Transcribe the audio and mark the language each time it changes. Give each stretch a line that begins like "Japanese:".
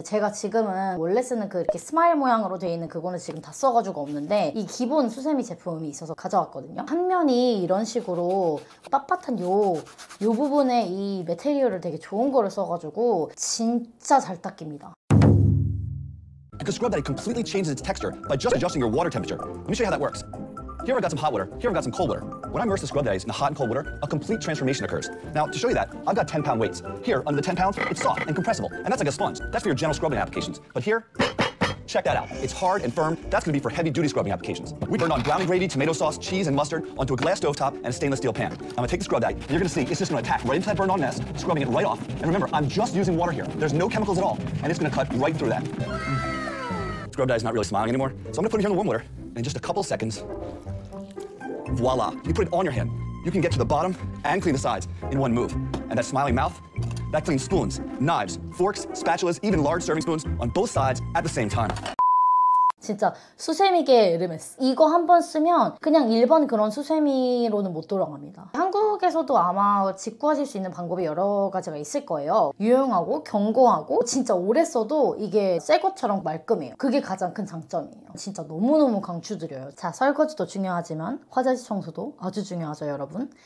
Korean: 제가 지금은 원래 쓰는 그 이렇게 스마일 모양으로 되어 있는 그거는 지금 다 써가지고 없는데 이 기본 수세미 제품이 있어서 가져왔거든요. 한 면이 이런 식으로 빳빳한 요 부분에 이 메테리얼을 되게 좋은 거를 써가지고 진짜 잘 닦입니다.
English: Because Scrubberry completely changes its texture by just adjusting your water temperature. Let me show you how that works. Here I've got some hot water, here I've got some cold water. When I immerse the scrub that I use in the hot and cold water, a complete transformation occurs. Now, to show you that, I've got 10-pound weights. Here, under the 10 pounds, it's soft and compressible, and that's like a sponge. That's for your general scrubbing applications. But here, check that out. It's hard and firm. That's gonna be for heavy-duty scrubbing applications. We turn on brown gravy, tomato sauce, cheese, and mustard onto a glass stovetop and a stainless steel pan. I'm gonna take the scrub that, and you're gonna see it's just gonna attack right into that burned-on mess, scrubbing it right off. And remember, I'm just using water here. There's no chemicals at all, and it's gonna cut right through that. Scrub that is not really smiling anymore, so I'm gonna put it here in the warm water, and in just a couple seconds, voila, you put it on your hand. You can get to the bottom and clean the sides in one move. And that smiling mouth, that cleans spoons, knives, forks, spatulas, even large serving spoons on both sides at the same time.
Korean: 진짜 수세미계의 에르메스. 이거 한번 쓰면 그냥 일반 그런 수세미로는 못 돌아갑니다. 한국에서도 아마 직구하실 수 있는 방법이 여러 가지가 있을 거예요. 유용하고 견고하고 진짜 오래 써도 이게 새 것처럼 말끔해요. 그게 가장 큰 장점이에요. 진짜 너무너무 강추드려요. 자, 설거지도 중요하지만 화장실 청소도 아주 중요하죠, 여러분.